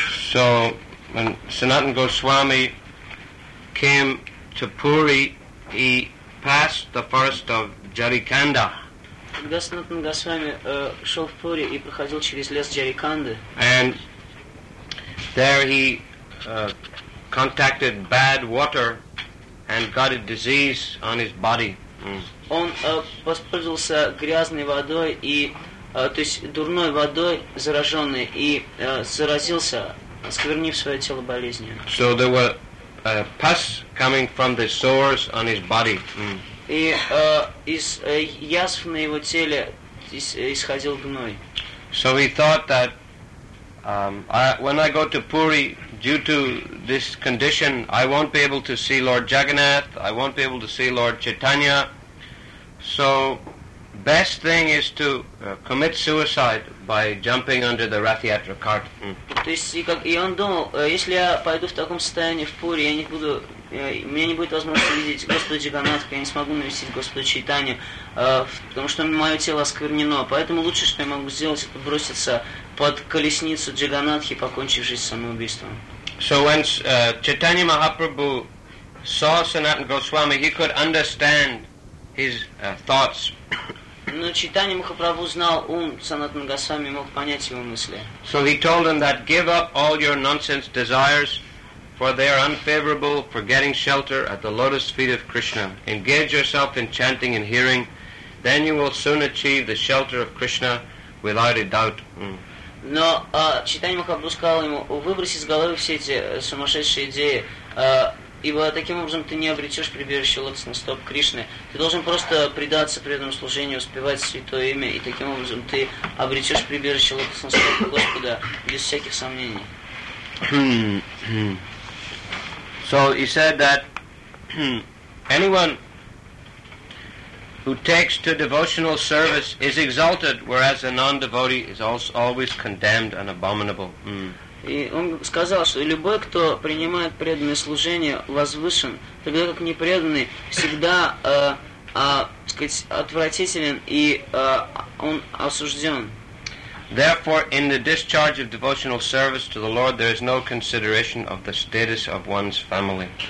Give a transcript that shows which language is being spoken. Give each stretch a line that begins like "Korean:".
English: So when Sanatana Goswami came to Puri, he passed the forest of Jarikanda.
Russian: Sanatana Goswami шел в Пури и проходил через лес Джариканды.
English: And there he contacted bad water and got a disease on his body.
Russian: Он воспользовался грязной водой и то есть дурной водой зараженной и заразился, сквернив свое тело болезнью.
English: So there were pus coming from the sores on his body.
Russian: И из язв на его теле исходил гной.
English: So he thought that when I go to Puri, due to this condition, I won't be able to see Lord Jagannath, I won't be able to see Lord Chaitanya. So, best thing is to commit suicide by jumping under the Rathyatra cart.
Russian: То есть, и он думал, если я пойду в таком состоянии в Пури, я не буду, у меня не будет возможности видеть Господа Джаганнатха, я не смогу навестить Господа Чайтанью, потому что мое тело осквернено. Поэтому лучшее, что я могу сделать, это броситься под колесницу Джаганнатхи, покончив жизнь самоубийством.
English: So when Chaitanya Mahaprabhu saw Sanatana Goswami, he could understand his thoughts.
Russian: Но Чайтанья Махапрабху знал ум Санатана Госвами, мог понять его мысли.
English: So he told him that give up all your nonsense desires, for they are unfavorable for getting shelter at the lotus feet of Krishna. Engage yourself in chanting and hearing, then you will soon achieve the shelter of Krishna without a doubt.
Russian: Но Чайтанья Махапрабху сказал ему, выбрось из головы все эти сумасшедшие идеи, ибо таким образом ты не обретешь прибежище лотосных стоп Кришны. Ты должен просто предаться преданному служению, успевать святое имя, и таким образом ты обретешь прибежище лотосных стоп Господа без всяких сомнений.
English: So he said that anyone who takes to devotional service is exalted, whereas a non-devotee is always condemned and abominable.
Russian: И он сказал, что любой, кто принимает преданное служение, возвышен, тогда как непреданный всегда, так сказать, отвратителен и он осужден.
English: Therefore, in the discharge of devotional service to the Lord, there is no consideration of the status of one's family.